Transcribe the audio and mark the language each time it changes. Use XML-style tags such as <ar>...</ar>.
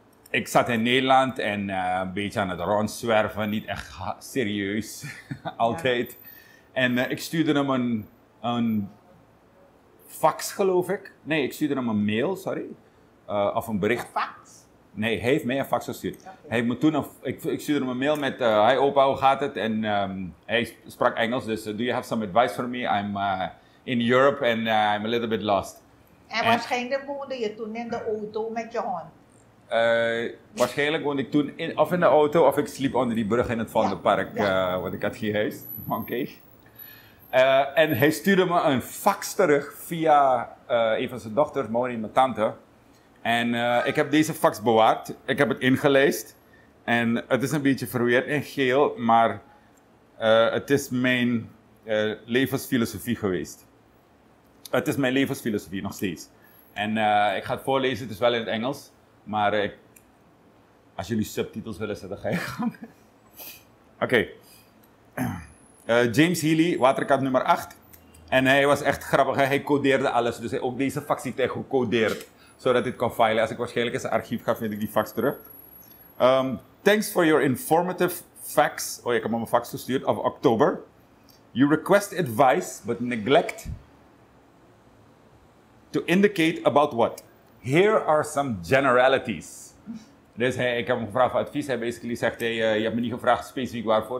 <nl>Ik zat in Nederland en een beetje aan het rondzwerven, niet echt serieus, altijd. Ja. En ik stuurde hem een fax, geloof ik. Nee, ik stuurde hem een mail, sorry. Of een bericht. Een fax? Nee, hij heeft mij een fax gestuurd. Okay. Hij moet toen ik stuurde hem een mail met, hi opa, hoe gaat het? En hij sprak Engels, dus</nl> <en>do you have some advice for me? I'm in Europe and I'm a little bit lost.</en> <nl>En waarschijnlijk woonde je toen in de auto met je hond. Waarschijnlijk woonde ik toen in de auto of ik sliep onder die brug in het Vondelpark, want ik had geen huis. Okay. En hij stuurde me een fax terug via een van zijn dochters, Maureen en mijn tante. En ik heb deze fax bewaard. Ik heb het ingelezen. En het is een beetje verweerd in geel, maar het is mijn levensfilosofie geweest. Het is mijn levensfilosofie, nog steeds. En ik ga het voorlezen, het is wel in het Engels. Maar als jullie subtitels willen zetten, ga je gang. Oké. James Healy, waterkat nummer 8. En hij was echt grappig. Hij codeerde alles. Dus ook deze fax heeft hij gecodeerd. Zodat dit kan filen. Als ik waarschijnlijk eens een archief ga, vind ik die fax terug.</nl> <en>Thanks for your informative fax.</en> <nl>Oh, ik heb hem een fax gestuurd.</nl> <en>Of October. You request advice, but neglect to indicate about what? Here are some generalities.</en> <nl>Dus hey, ik heb hem gevraagd voor advies. Hij basically zegt, hey, je hebt me niet gevraagd specifiek waarvoor.</nl>